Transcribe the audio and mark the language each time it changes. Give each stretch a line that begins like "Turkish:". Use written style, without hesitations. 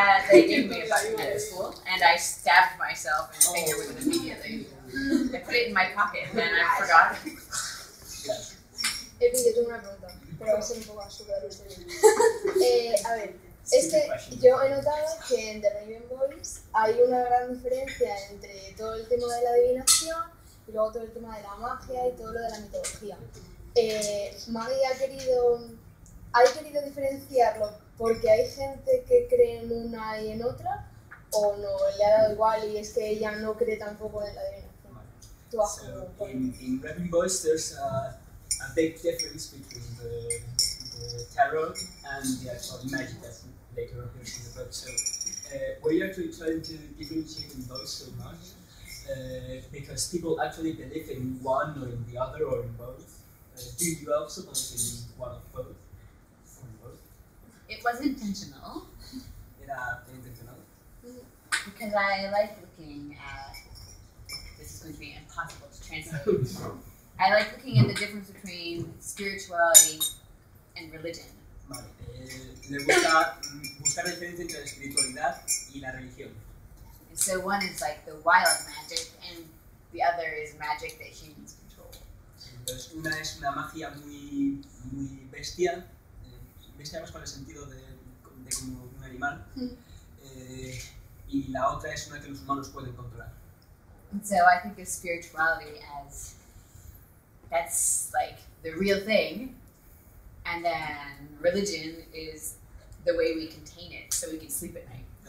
English: They gave me a button at school, and I stabbed myself and finger with it immediately. I put it in my pocket, and then I forgot. It'd be good to remember that.
Spanish: Pero va a ser un poco absurdo de a ver, es que yo he notado que en The Raven Boys hay una gran diferencia entre todo el tema de la adivinación y luego todo el tema de la magia y todo lo de la mitología. Maggie ha querido diferenciarlo porque hay gente que cree en una y en otra, o no, le ha dado igual y es que ella no cree tampoco en la adivinación. Tú has creído.
English: En The Raven Boys there's a big difference between the tarot and the actual magic that later appears in the book. So we actually try to differentiate in both so much because people actually believe in one or in the other or in both. Do you also believe in one of both or in both? It was intentional. Yeah, intentional. Because I like looking at, this is going to be impossible to translate. I like looking at the difference between spirituality and religion.
Spanish: Le gusta buscar la diferencia entre la espiritualidad y la religión.
English: And so one is like the wild magic, and the other is magic that humans control.
Spanish: Entonces una es una magia muy bestia, bestia más con el sentido de como un animal, y la otra es una que los humanos pueden controlar.
English: And so I think of spirituality as that's like the real thing, and then religion is the way we contain it so we can sleep at night.